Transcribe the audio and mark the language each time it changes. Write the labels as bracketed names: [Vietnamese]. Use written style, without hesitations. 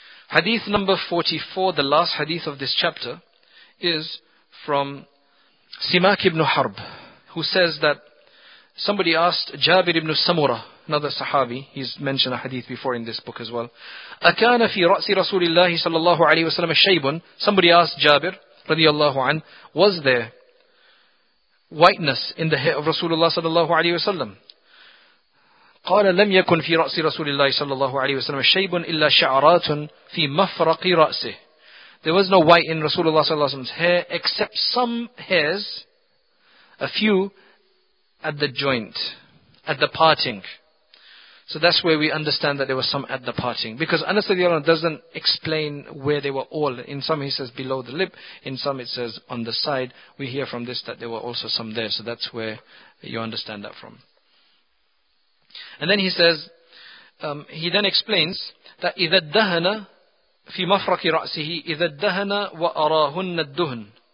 [English] Hadith number 44, the last hadith of this chapter, is from Simak ibn Harb, who says that somebody asked Jabir ibn Samura, another Sahabi, he's mentioned a hadith before in this book as well. [Arabic] أَكَانَ فِي رَأْسِ رَسُولِ اللَّهِ صَلَى اللَّهُ عَلَيْهِ وَسَلَمَ شَيْبٌ. [English] Somebody asked Jabir, radiallahu anhu, was there whiteness in the hair of Rasulullah صلى الله عليه وسلم? [Arabic] قال لم يكن في رأس رسول الله صلى الله عليه وسلم شيب إلا شعرات في مفرق رأسه. [English] There was no white in Rasulullah صلى الله عليه وسلم's hair except some hairs, a few, at the joint, at the parting. So that's where we understand that there was some at the parting. Because Anas رضي الله عنه doesn't explain where they were all. In some he says below the lip, in some it says on the side. We hear from this that there were also some there. So that's where you understand that from. And then he says, he then explains that [Arabic] إِذَا الدَّهَنَ فِي مَفْرَقِ رَأْسِهِ إِذَا الدَّهَنَ وَأَرَاهُنَّ الدُّهْنَ.